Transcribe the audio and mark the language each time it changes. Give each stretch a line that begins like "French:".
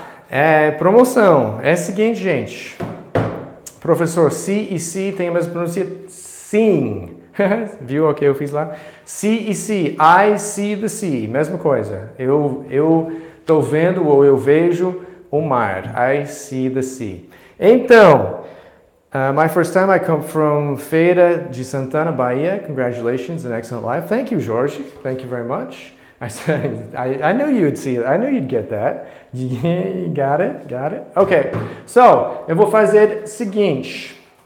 Portuguese: É promoção, é o seguinte, gente, professor, se e se tem a mesma pronúncia? Sim, viu o que eu fiz lá? Se e se,
English: I see the sea,
Portuguese: mesma coisa, eu estou vendo ou eu vejo o mar, I see the sea. Então,
English: my first time I come from Feira de Santana, Bahia, congratulations, an excellent life, thank you, Jorge, thank you very much. I said, I knew you'd see it. I knew you'd get that. Got it? Okay.
Portuguese: So, eu vou fazer o seguinte.